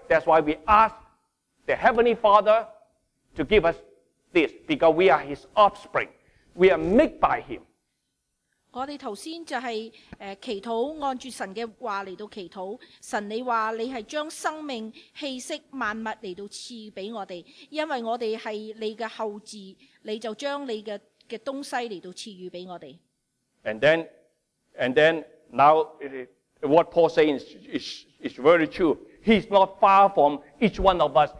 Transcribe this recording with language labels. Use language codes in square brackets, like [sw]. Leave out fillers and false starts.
[en] That's why we ask the Heavenly Father to give us this, because we are his offspring. We are made by him. [zh] 我们刚才就是祈祷按着神的话来到祈祷。神你说你是将生命气息万物来到赐给我们，因为我们是你的后嗣，你就将你 的东西来到赐予给我们。 [en] And then, now, what Paul saying is very true. He's not far from each one of us.